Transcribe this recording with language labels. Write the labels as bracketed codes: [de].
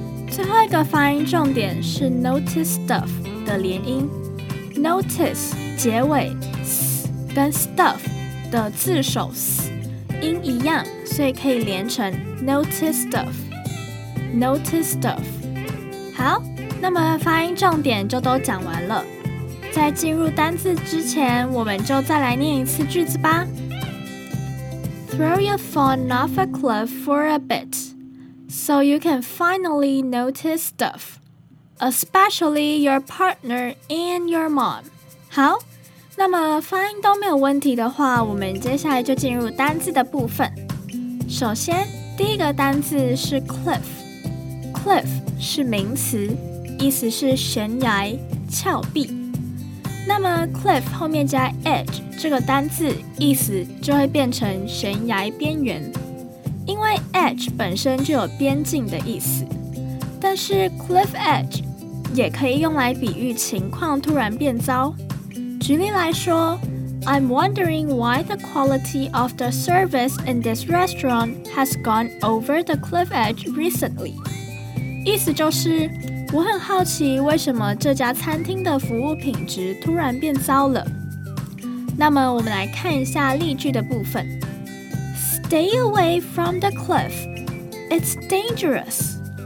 [zh] 最后一个发音重点是 [en] notice stuff [zh] 的连音， notice 结尾 s 跟 stuff 的字首 s 音一样，所以可以连成 notice stuff， notice stuff。好，那么发音重点就都讲完了，在进入单字之前，我们就再来念一次句子吧。 [en] Throw your phone off a cliff for a bitSo you can finally notice stuff, especially your partner and your mom. [zh] 好，那么发音都没有问题的话，我们接下来就进入单字的部分。首先，第一个单字是 cliff。cliff 是名词，意思是悬崖、峭壁。那么 cliff 后面加 edge 这个单字，意思就会变成悬崖边缘。因为 edge 本身就有边境的意思，但是 cliff edge 也可以用来比喻情况突然变糟。举例来说， [en] I'm wondering why the quality of the service in this restaurant has gone over the cliff edge recently. [zh] 意思就是，我很好奇为什么这家餐厅的服务品质突然变糟了。那么我们来看一下例句的部分。 [en] Stay away from the cliff. It's dangerous.